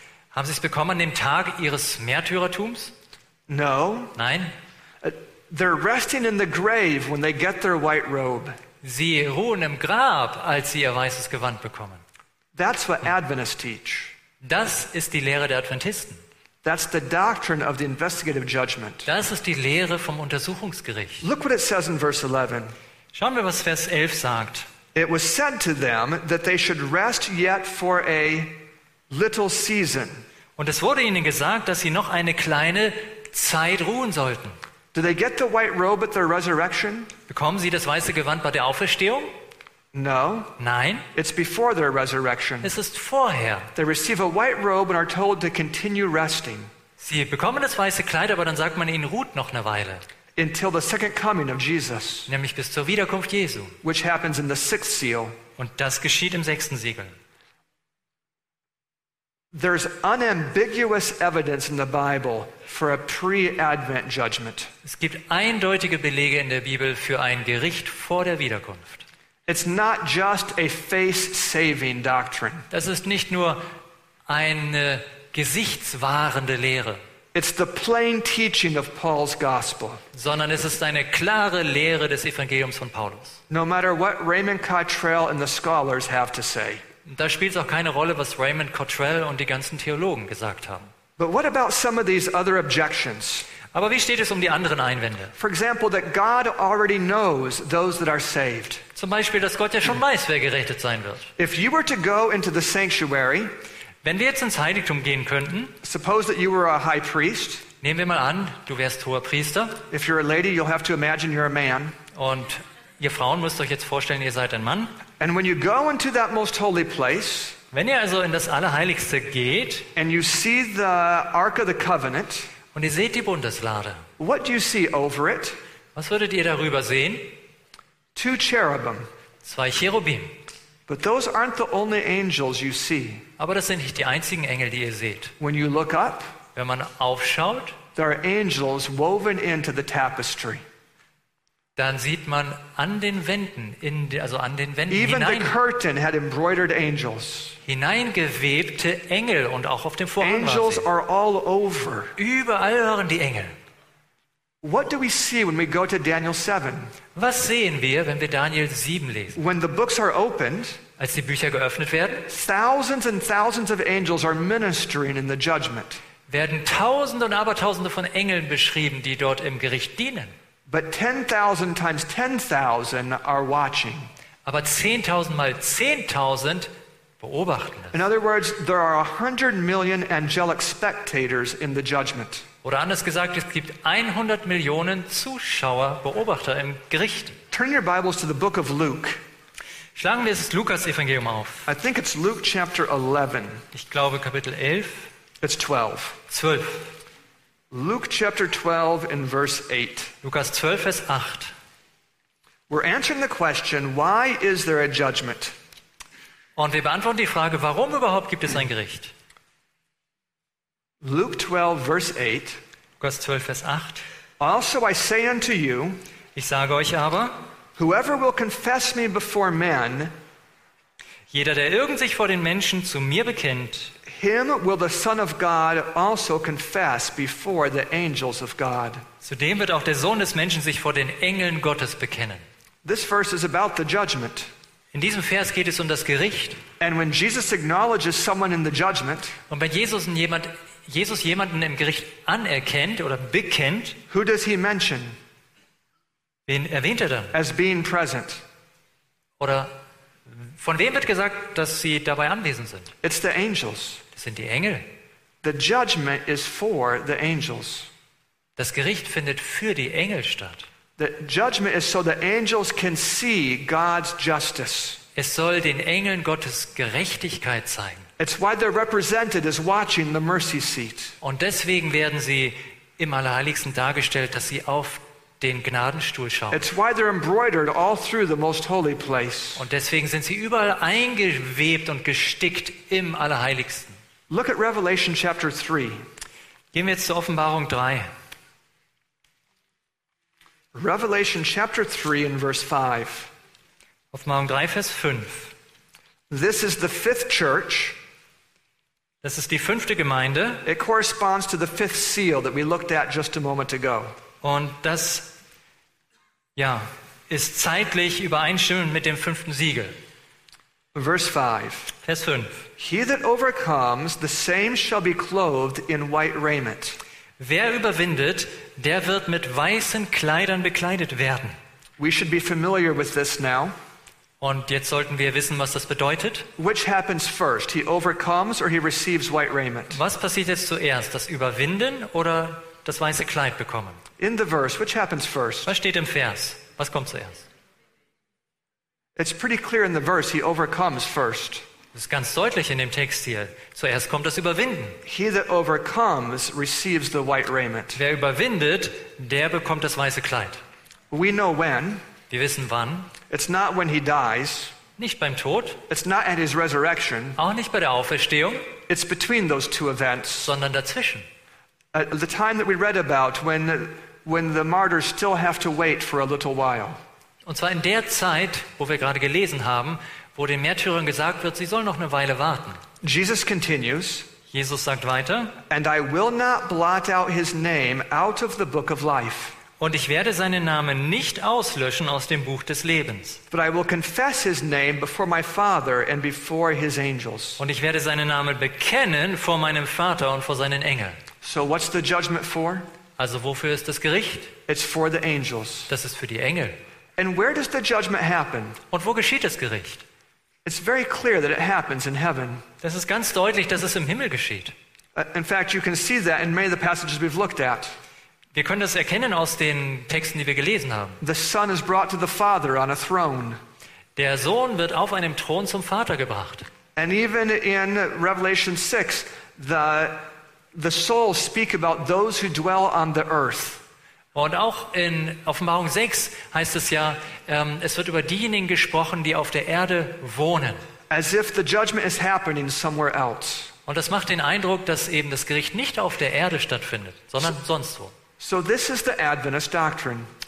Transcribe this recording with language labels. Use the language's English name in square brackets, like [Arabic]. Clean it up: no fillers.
[German] Haben sie es bekommen an dem Tag ihres Märtyrertums? [English] No. [German] Nein. [English] They're resting in the grave when they get their white robe. [German] Sie ruhen im Grab, als sie ihr weißes Gewand bekommen. [English] That's what Adventists teach. [German] Das ist die Lehre der Adventisten. [English] That's the doctrine of the investigative judgment. [German] Das ist die Lehre vom Untersuchungsgericht. [English] Look what it says in verse 11. [German] Schauen wir, was Vers 11 sagt. [English] It was said to them that they should rest yet for a little season. [German] Und es wurde ihnen gesagt, dass sie noch eine kleine Zeit ruhen sollten. [English] Do they get the white robe at their resurrection? [German] Bekommen sie das weiße Gewand bei der Auferstehung? [English] No. [German] Nein. [English] It's before their resurrection. [German] Es ist vorher. [English] They receive a white robe and are told to continue resting. [German] Sie bekommen das weiße Kleid, aber dann sagt man ihnen, ruht noch eine Weile. [English] Until the second coming of Jesus. [German] Nämlich bis zur Wiederkunft Jesu. [English] Which happens in the sixth seal. [German] Und das geschieht im sechsten Siegel. [English] There's unambiguous evidence in the Bible for a pre-Advent judgment. [German] Es gibt eindeutige Belege in der Bibel für ein Gericht vor der Wiederkunft. [English] It's not just a face-saving doctrine. [German] Das ist nicht nur eine gesichtswahrende Lehre. [English] It's the plain teaching of Paul's gospel. [German] Sondern es ist eine klare Lehre des Evangeliums von Paulus. [English] No matter what Raymond Cottrell and the scholars have to say. [German] Da spielt es auch keine Rolle, was Raymond Cottrell und die ganzen Theologen gesagt haben. [English] But what about some of these other objections? [German] Aber wie steht es um die anderen Einwände? [English] For example, that God already knows those that are saved. [German] Zum Beispiel, dass Gott ja schon weiß, wer gerettet sein wird. [English] If you were to go into the sanctuary, [German] wenn wir jetzt ins Heiligtum gehen könnten, [English] suppose that you were a high priest. [German] Nehmen wir mal an, du wärst hoher Priester. [English] If you're a lady, you'll have to imagine you're a man. [German] Und ihr Frauen müsst euch jetzt vorstellen, ihr seid ein Mann. [English] And when you go into that most holy place, [German] wenn ihr also in das Allerheiligste geht, [English] and you see the Ark of the Covenant, [German] und ihr seht die Bundeslade, [English] what do you see over it? [German] Was würdet ihr darüber sehen? [English] Two cherubim. [German] Zwei Cherubim. [English] But those aren't the only angels you see. [German] Aber das sind nicht die einzigen Engel, die ihr seht. [English] When you look up, [German] wenn man aufschaut, [English] there are angels woven into the tapestry. [German] Dann sieht man an den Wänden, also an den Wänden [English] Even [German] hinein, [English] the curtain had embroidered angels. [German] Hineingewebte Engel und auch auf dem Vorhang. [English] Angels are all over. [German] Überall waren die Engel. [English] What do we see when we go to Daniel 7? [German] Was sehen wir, wenn wir Daniel 7 lesen? [English] When the books are opened, [German] als die Bücher geöffnet werden, [English] thousands and thousands of angels are ministering in the judgment. [German] Werden Tausende und Abertausende von Engeln beschrieben, die dort im Gericht dienen. [English] But 10,000 times 10,000 are watching. [German] Aber 10.000 mal 10.000 beobachten es. [English] In other words, there are 100 million angelic spectators in the judgment. [German] Oder anders gesagt, es gibt 100 Millionen Zuschauer, Beobachter im Gericht. [English] Turn your Bibles to the book of Luke. [German] Schlagen wir das Lukas-Evangelium auf. [English] I think it's Luke chapter 11. [German] Ich glaube Kapitel 11. [English] It's 12. [German] 12. [English] Luke chapter 12 in verse 8. [German] Lukas 12 Vers 8. [English] We're answering the question, why is there a judgment? [German] Und wir beantworten die Frage, warum überhaupt gibt es ein Gericht? [English] Luke 12 verse 8. [German] Lukas 12 Vers 8. [English] Also I say unto you, [German] ich sage euch aber, [English] whoever will confess me before men, [German] jeder der irgend sich vor den Menschen zu mir bekennt, [English] him will the Son of God also confess before the angels of God. [German] Zudem wird auch der Sohn des Menschen sich vor den Engeln Gottes bekennen. [English] This verse is about the judgment. [German] In diesem Vers geht es um das Gericht. [English] And when Jesus acknowledges someone in the judgment, [German] und wenn Jesus jemanden im Gericht anerkennt oder bekennt, [English] who does he mention? [German] Wen erwähnt er dann? [English] As being present. [German] Oder von wem wird gesagt, dass sie dabei anwesend sind? [English] It's the angels. [German] Das sind die Engel. [English] The judgment is for the angels. [German] Das Gericht findet für die Engel statt. [English] The judgment is so the angels can see God's justice. [German] Es soll den Engeln Gottes Gerechtigkeit zeigen. [English] It's why they're represented as watching the mercy seat. [German] Und deswegen werden sie im Allerheiligsten dargestellt, dass sie auf den Gnadenstuhl schauen. [English] It's why they're embroidered all through the most holy place. [German] Und deswegen sind sie überall eingewebt und gestickt im Allerheiligsten. [English] Look at Revelation chapter 3. [German] Gehen wir jetzt zur Offenbarung 3. [English] Revelation chapter 3 in verse 5. [German] Offenbarung 3 Vers 5. [English] This is the fifth church. [German] Das ist die fünfte Gemeinde. [English] It corresponds to the fifth seal that we looked at just a moment ago. [German] Und das ist zeitlich übereinstimmend mit dem fünften Siegel. [English] Verse 5. [German] Vers 5. [English] He that overcomes, the same shall be clothed in white raiment. [German] Wer überwindet, der wird mit weißen Kleidern bekleidet werden. [English] We should be familiar with this now. [German] Und jetzt sollten wir wissen, was das bedeutet. [English] Which happens first? He overcomes or he receives white raiment? [German] Was passiert jetzt zuerst, das Überwinden oder das weiße Kleid bekommen? [English] In the verse, which happens first? [German] Was steht im Vers? Was kommt zuerst? [English] It's pretty clear in the verse, he overcomes first. [German] Das ist ganz deutlich in dem Text hier. Zuerst kommt das Überwinden. [English] He that overcomes receives the white raiment. [German] Wer überwindet, der bekommt das weiße Kleid. [English] We know when. [German] Wir wissen wann. [English] It's not when he dies. [German] Nicht beim Tod. [English] It's not at his resurrection. [German] Auch nicht bei der Auferstehung. [English] It's between those two events. [German] Sondern dazwischen. [English] The time that we read about when the martyrs still have to wait for a little while. [German] Und zwar in der Zeit, wo wir gerade gelesen haben, wo den Märtyrern gesagt wird, sie sollen noch eine Weile warten. [English] Jesus continues. [German] Jesus sagt weiter. [English] And I will not blot out his name out of the book of life. [German] Und ich werde seinen Namen nicht auslöschen aus dem Buch des Lebens. [English] But I will confess his name before my Father and before his angels. [German] Und ich werde seinen Namen bekennen vor meinem Vater und vor seinen Engeln. [English] So what's the judgment for? [German] Also wofür ist das Gericht? [English] It's for the angels. [German] Das ist für die Engel. [English] And where does the judgment happen? [German] Und wo geschieht das Gericht? [English] It's very clear that it happens in heaven. [German] Das ist ganz deutlich, dass es im Himmel geschieht. [English] In fact, you can see that in many of the passages we've looked at. [German] Wir können das erkennen aus den Texten, die wir gelesen haben. [English] The Son is brought to the Father on a throne. [German] Der Sohn wird auf einem Thron zum Vater gebracht. [English] And even in Revelation 6, the souls speak about those who dwell on the earth. [German] Und auch in Offenbarung 6 heißt es ja, es wird über diejenigen gesprochen, die auf der Erde wohnen. [English] As if the judgment is happening somewhere else. [German] Und das macht den Eindruck, dass eben das Gericht nicht auf der Erde stattfindet, sondern sonst wo. [English] So this is the Adventist doctrine.